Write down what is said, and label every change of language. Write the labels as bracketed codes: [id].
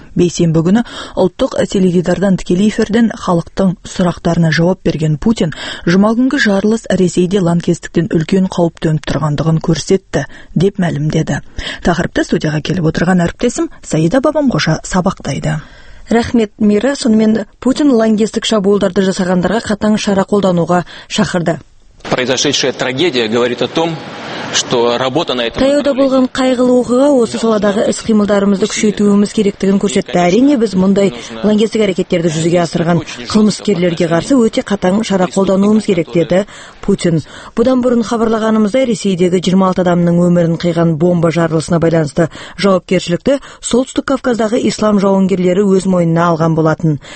[kk] Бейсенбі күні ұлттық теледидардан тікелей эфирден халықтың сұрақтарына жауап берген Путин, жұма күнгі жарылыс Ресейде лаңкестіктен үлкен қауіп төніп тұрғандығын көрсетті, деп мәлімдеді. Тақырыпты студияға келіп отырған әріптесім Саида Бабамқожа сабақтайды. Рахмет, Мира. Сонымен Путин лаңкестік шабуылдарды жасағандарға қатаң шара қолдануға шақырды. [ru] Произошедшая трагедия говорит о том, что работа на этом. [kk] Таяуда болған қайғылы оқиға осы саладағы іс-қимылдарымызды күшейтуіміз керектігін көрсетті. Әрине, біз мұндай лаңкестік әрекеттерді жүзеге асырған қылмыскерлерге қарсы өте қатаң шара қолдануымыз керек, деді Путин. Бұдан бұрын хабарлағанымыздай, Ресейдегі 26 адамның өмірін қиған бомба жарылысына байланысты жауапкершілікті солтүстік Кавказдағы ислам жауынгерлері өз мойнына алған болатын.